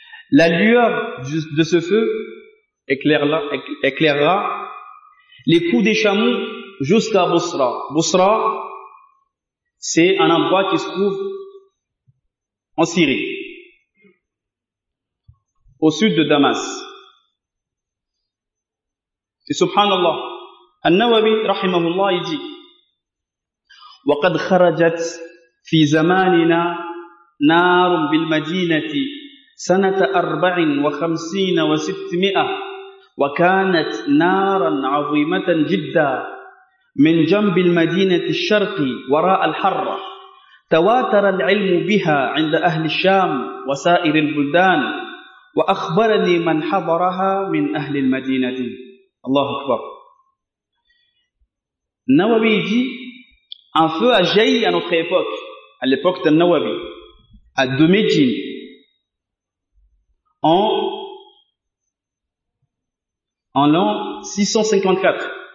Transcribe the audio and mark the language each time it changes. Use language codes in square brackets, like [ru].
[fr] La lueur de ce feu éclairera les coups des chameaux jusqu'à Bousra. Bousra, c'est un endroit qui se trouve en Syrie, au sud de Damas. Et subhanallah, An-Nawawi rahimahullah, il dit: [ar] وَقَدْ خَرَجَتْ فِي زَمَانِنَا نَارٌ بِالْمَدِينَةِ سَنَةَ أَرْبَعٍ وَخَمْسِينَ وَسِتْمِئَةٍ وَكَانَتْ نَارًا عَظِيمَةً جِدًّا مِنْ جَنْبِ الْمَدِينَةِ الشَّرْقِ وَرَاءَ الْحَرَّةِ تَوَاتَرَ الْعِلْمُ بِهَا عِنْدَ أَهْلِ الشَّامِ وَسَائِرِ الْبُلْدَانِ وَأَخْبَرَنِي مَنْ حَضَرَهَا مِنْ أَهْلِ الْمَدِينَةِ. الله أكبر. النووي دي [fr] un feu a jailli à notre époque, à l'époque de Nawawi, à Dumejin, en l'an 654.